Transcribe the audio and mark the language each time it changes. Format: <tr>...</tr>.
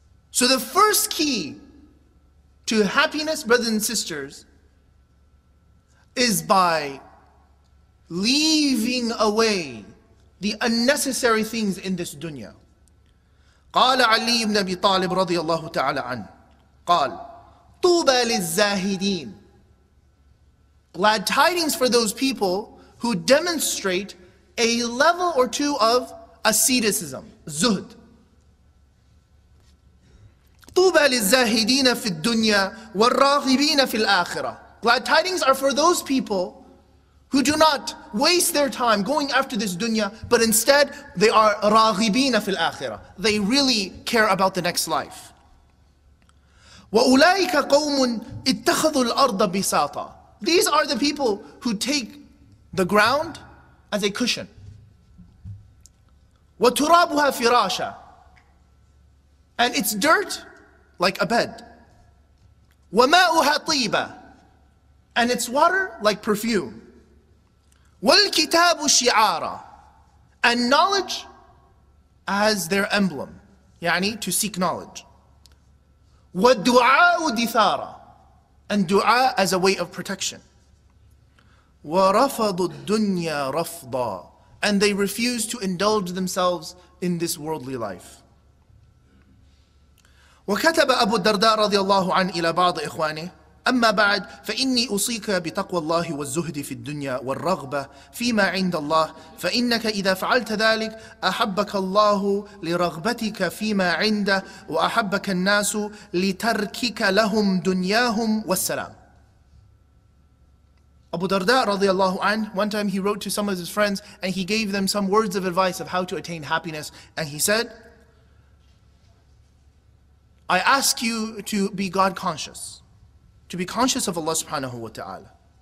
<en>So the first key to happiness, brothers and sisters, is by leaving away the unnecessary things in this dunya.</en> <ar>قال علي بن أبي طالب رضي الله تعالى عنه قال طوبى للزاهدين.</ar> <en>Glad tidings for those people who demonstrate a level or two of asceticism, zuhd.</en> <ar>طوبى للزاهدين في الدنيا والراغبين في الآخرة.</ar> <en>Glad tidings are for those people who do not waste their time going after this dunya, but instead they are</en> <ar>راغبين في الآخرة.</ar> <en>They really care about the next life.</en> <ar>وأولئك قوم اتخذوا الأرض بساطا.</ar> <en>These are the people who take the ground as a cushion.</en> <ar>وترابها فراشا.</ar> <en>And it's dirt like a bed.</en> <ar>وماؤها طيبة.</ar> <en>And it's water like perfume.</en> <ar>وَالْكِتَابُ شِعَارًا.</ar> <en>And knowledge as their emblem. يعني to seek knowledge.</en> <ar>وَالْدُعَاءُ دِثَارًا.</ar> <en>And dua as a way of protection.</en> <ar>وَرَفَضُ الدُّنْيَا رَفْضًا.</ar> <en>And they refuse to indulge themselves in this worldly life.</en> <ar>وَكَتَبَ أَبُو الدَّرْدَاءَ رَضِيَ اللَّهُ عَنْ إِلَى بَعْضِ إِخْوَانِهِ أما بعد فإني أوصيك بتقوى الله والزهد في الدنيا والرغبة فيما عند الله فإنك إذا فعلت ذلك أحبك الله لرغبتك فيما عنده وأحبك الناس لتركك لهم دنياهم والسلام.</ar> <en>Abu Darda radiallahu an, one time he wrote to some of his friends and he gave them some words of advice of how to attain happiness. And he said, I ask you to be God conscious, to be conscious of Allah subhanahu wa ta'ala.</en>